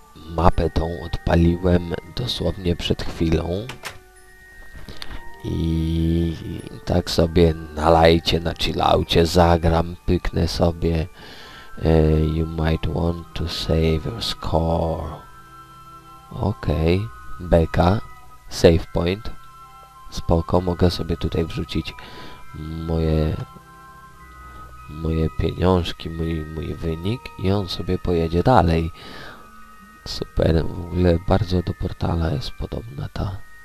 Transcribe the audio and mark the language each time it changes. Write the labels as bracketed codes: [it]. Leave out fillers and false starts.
[pl] Mapę tą odpaliłem dosłownie przed chwilą. I tak sobie na lajcie, na chillaucie zagram, pyknę sobie. [en] You might want to save your score. [pl] Okej. Beka. Save point. Spoko, mogę sobie tutaj wrzucić moje pieniążki, mój wynik i on sobie pojedzie dalej. Super, w ogóle bardzo do portala jest podobna ta.